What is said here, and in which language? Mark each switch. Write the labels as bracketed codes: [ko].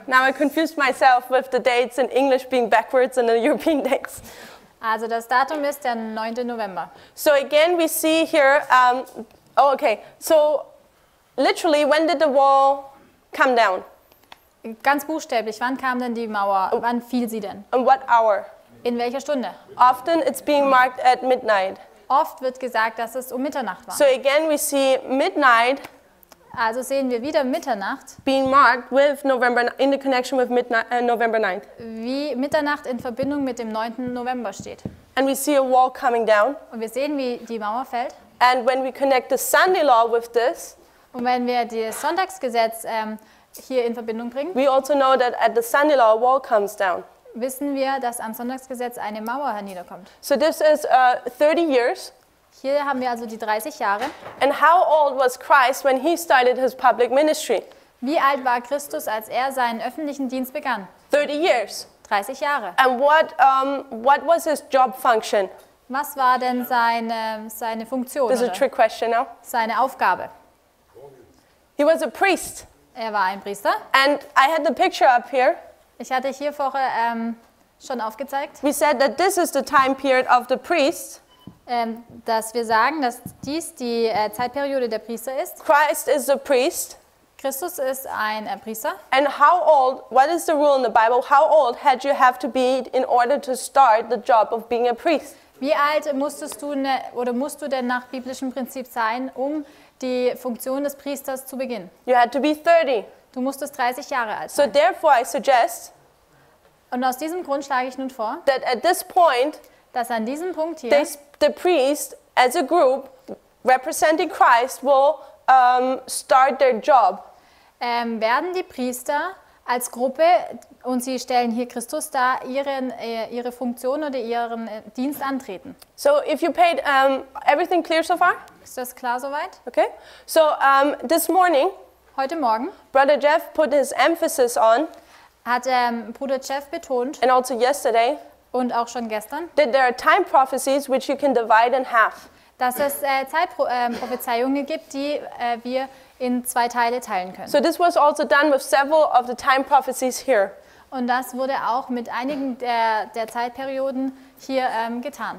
[en] Now I confused myself with the dates in English being backwards and the European dates. [de] Also das Datum ist der 9. November. [en] So again we see here, okay. So literally, when did the wall come down? [de] Ganz buchstäblich, wann kam denn die Mauer? Wann fiel sie denn? [en] And what hour? Midnight. [de] In welcher Stunde? [en] Often it's being marked at midnight. [de] Oft wird gesagt, dass es um Mitternacht war. [en] So again we see midnight. [de] Also sehen wir wieder Mitternacht. [en] Being marked with November in the connection with midnight, November 9th. [de] Wie Mitternacht in Verbindung mit dem 9. November steht. [en] And we see a wall coming down. [de] Und wir sehen, wie die Mauer fällt. [en] And when we connect the Sunday law with this. [de] Und wenn wir das Sonntagsgesetz hier in Verbindung bringen. [en] We also know that at the Sunday law a wall comes down. [de] Wissen wir, dass am Sonntagsgesetz eine Mauer herniederkommt. [en] So this is 30 years. [de] Hier haben wir also die 30 Jahre. [en] And how old was Christ when he started his public ministry? [de] Wie alt war Christus, als er seinen öffentlichen Dienst begann? [en] 30 years. [de] 30 Jahre. [en] And what was his job function? [de] Was war denn seine Funktion? [en] This is a trick question now. [de] Seine Aufgabe. [en] He was a priest. [de] Er war ein Priester. [en] And I had the picture up here. [de] Ich hatte hier vorher schon aufgezeigt. [en] We said that this is the time period of the priest. [de] Dass wir sagen, dass dies die Zeitperiode der Priester ist. [en] Christ is a priest. [de] Christus ist ein Priester. [en] And how old, what is the rule in the Bible, how old had you have to be in order to start the job of being a priest? [de] Wie alt musstest du oder musst du denn nach biblischem Prinzip sein, um die Funktion des Priesters zu beginnen? [en] You had to be 30. [de] Du musstest 30 Jahre alt sein. [en] So therefore I suggest, [de] und aus diesem Grund schlage ich nun vor, [en] that at this point, [de] dass an diesem Punkt hier, [en] the priest as a group representing Christ will start their job. [de] Werden die Priester als Gruppe, und sie stellen hier Christus dar, ihre Funktion oder ihren Dienst antreten. [en] So if you paid, everything clear so far? [de] Ist das klar soweit? [en] Okay. So this morning, [de] heute Morgen, [en] Brother Jeff put his emphasis on, [de] hat Bruder Jeff betont, [en] and also yesterday, [de] und auch schon gestern, [en] that there are time prophecies which you can divide in half. [de] Dass es Zeitprophezeiungen gibt, die wir in zwei Teile teilen können. [en] So this was also done with several of the time prophecies here. [de] Und das wurde auch mit einigen der Zeitperioden hier getan.